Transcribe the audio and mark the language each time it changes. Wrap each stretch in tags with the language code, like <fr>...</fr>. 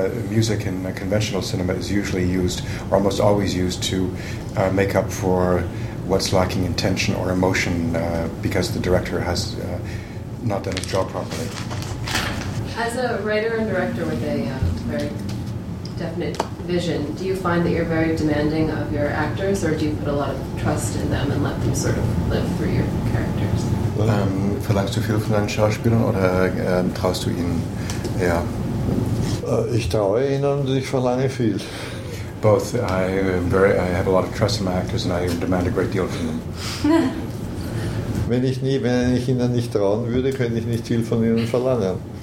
<en>Music in conventional cinema is usually used, or almost always used, to make up for what's lacking in tension or emotion because the director has not done his job properly. As a writer and director with a very definite vision, do you find that you're very demanding of your actors, or do you put a lot of trust in them and let them sort of live through your characters?</en> <de>Well, verlangst du viel von deinen Schauspielern, oder traust du ihnen eher? Ich traue ihnen und ich verlange viel.</de> <en>Both. I have a lot of trust in my actors and I demand a great deal from them.</en> <de>wenn ich ihnen nicht trauen würde, könnte ich nicht viel von ihnen verlangen.</de>